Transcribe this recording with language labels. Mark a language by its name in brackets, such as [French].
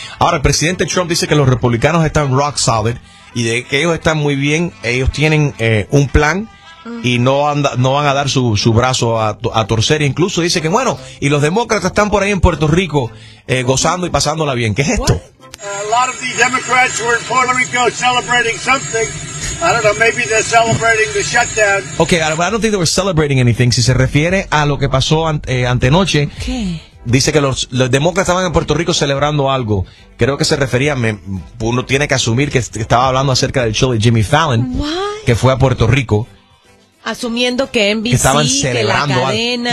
[Spanish] Ahora, el presidente Trump dice que los republicanos están [English] rock solid [Spanish] y de que ellos están muy bien, ellos tienen un plan. Y no van a dar su brazo a torcer. Incluso dice que bueno, y los demócratas están por ahí en Puerto Rico gozando y pasándola bien. ¿Qué es esto? [English] A lot of the Democrats were in Puerto Rico celebrating something. I don't know, maybe they're celebrating the shutdown. Okay, but I don't think they were celebrating anything. [Spanish] Si se refiere a lo que pasó antenoche. [English] Okay. [Spanish] Dice que los demócratas estaban en Puerto Rico celebrando algo. Creo que se refería, uno tiene que asumir que estaba hablando acerca del show de Jimmy Fallon. [English] What? [Spanish] Que fue a Puerto Rico. Asumiendo que NBC, que estaban celebrando, que la cadena,